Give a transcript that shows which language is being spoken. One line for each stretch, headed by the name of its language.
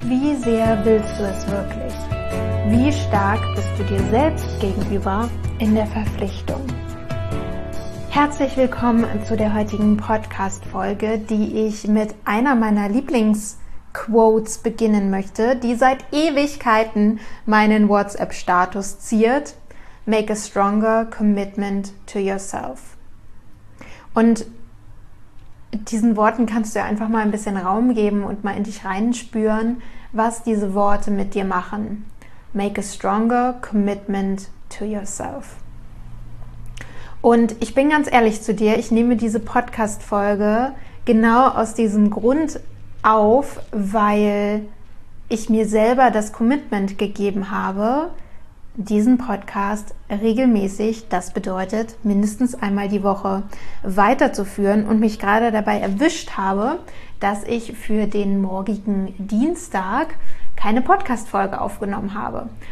German: Wie sehr willst du es wirklich? Wie stark bist du dir selbst gegenüber in der Verpflichtung? Herzlich willkommen zu der heutigen Podcast-Folge, die ich mit einer meiner Lieblingsquotes beginnen möchte, die seit Ewigkeiten meinen WhatsApp-Status ziert.
English: Make a stronger commitment to yourself.
German: Und diesen Worten kannst du einfach mal ein bisschen Raum geben und mal in dich reinspüren, was diese Worte mit dir machen.
English: Make a stronger commitment to yourself.
German: Und ich bin ganz ehrlich zu dir, ich nehme diese Podcast-Folge genau aus diesem Grund auf, weil ich mir selber das Commitment gegeben habe, diesen Podcast regelmäßig, das bedeutet mindestens einmal die Woche, weiterzuführen und mich gerade dabei erwischt habe, dass ich für den morgigen Dienstag keine Podcast-Folge aufgenommen habe.